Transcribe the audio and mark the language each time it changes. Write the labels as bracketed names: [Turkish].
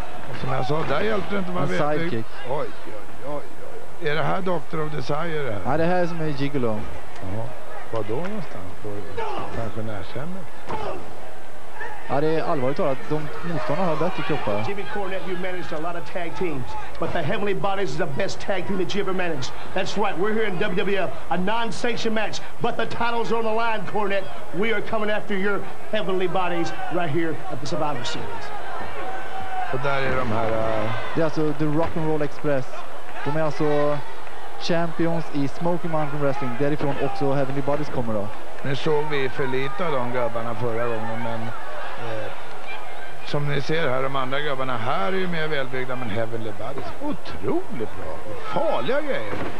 [Swedish] Och som jag sa, där hjälpte det inte man vet. Sidekick. Oj, oj, oj. Är det här Doctor of Desire? Ja, det här är som är Gigolo. Ja, vad då någonstans? På pensionärshemmet? Ja, det är allvarligt talat. De motståndarna har bättre kroppar. [English] Jimmy Cornette, you managed a lot of tag teams. But the Heavenly Bodies is the best tag team that you ever managed. That's right, we're here in WWF. A non-sanctioned match. But the titles are on the line, Cornette. We are coming after your Heavenly Bodies right here at the Survivor Series. [Swedish] Och där är de här... Det är alltså The Rock'n'Roll Express. De är alltså champions i Smoky Mountain Wrestling. Därifrån också Heavenly Bodies kommer då. Nu såg vi för lite av de grabbarna förra gången, men som ni ser här, de andra grabbarna här är ju mer välbyggda, men Heavenly Bodies, otroligt bra, farliga grejer.